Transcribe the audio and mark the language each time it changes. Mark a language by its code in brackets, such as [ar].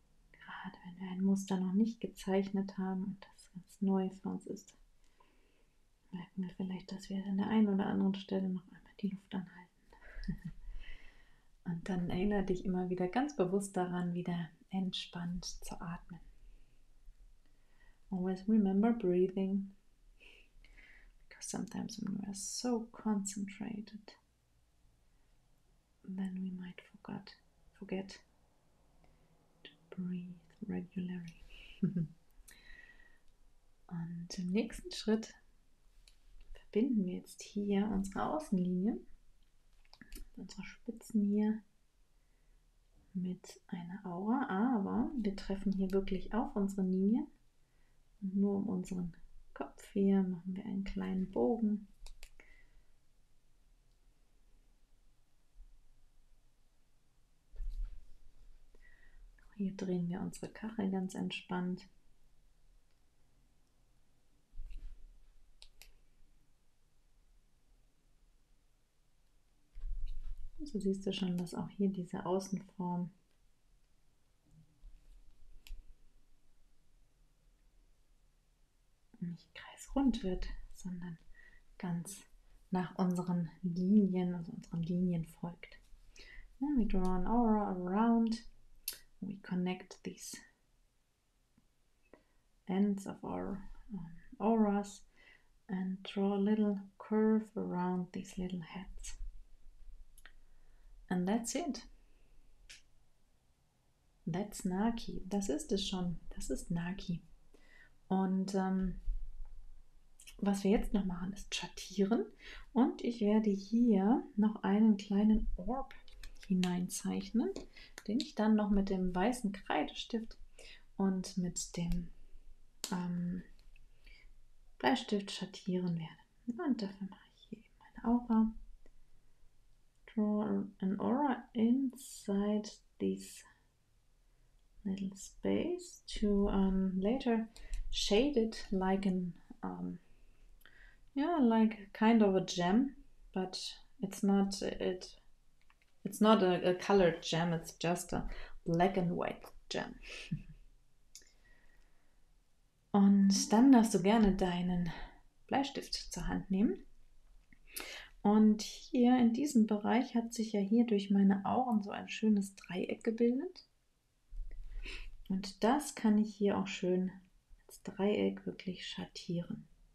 [de] Gerade wenn wir ein Muster noch nicht gezeichnet haben und das ganz neu für uns ist, merken wir vielleicht, dass wir an der einen oder anderen Stelle noch einmal die Luft anhalten. Und dann erinnere dich immer wieder ganz bewusst daran, wieder entspannt zu atmen. [en] Always remember breathing. Because sometimes when we are so concentrated, then we might forget to breathe regularly. [de] Und im nächsten Schritt verbinden wir jetzt hier unsere Außenlinien, unsere Spitzen hier mit einer Aura, aber wir treffen hier wirklich auf unsere Linie. Und nur um unseren Kopf hier machen wir einen kleinen Bogen. Hier drehen wir unsere Kachel ganz entspannt. So siehst du schon, dass auch hier diese Außenform nicht kreisrund wird, sondern ganz nach unseren Linien, also unseren Linien folgt. [en] And we draw an aura around. We connect these ends of our auras and draw a little curve around these little heads. And that's it. That's Naki. [de] Das ist es schon. Das ist Naki. Und was wir jetzt noch machen, ist schattieren. Und ich werde hier noch einen kleinen Orb hineinzeichnen, den ich dann noch mit dem weißen Kreidestift und mit dem Bleistift schattieren werde. Und dafür mache ich hier meine Aura. [en] Draw an aura inside this little space to later shade it like an like kind of a gem, but it's not a colored gem, it's just a black and white gem. [de] Und dann darfst du gerne deinen Bleistift zur Hand nehmen. Und hier in diesem Bereich hat sich ja hier durch meine Augen so ein schönes Dreieck gebildet. Und das kann ich hier auch schön als Dreieck wirklich schattieren.